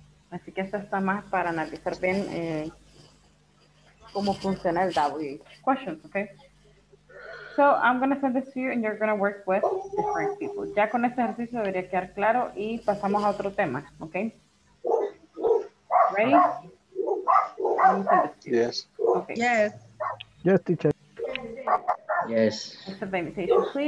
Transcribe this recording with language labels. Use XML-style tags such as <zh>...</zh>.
<es>Así que esto está más para analizar bien cómo funciona el WH questions, okay?</es> <en>So I'm going to send this to you and you're going to work with different people.</en> <es>Ya con este ejercicio debería quedar claro y pasamos a otro tema, okay?</es> <en>Ready? Yes. Okay. Yes. Yes, teacher. Yes. Just a invitation,</en>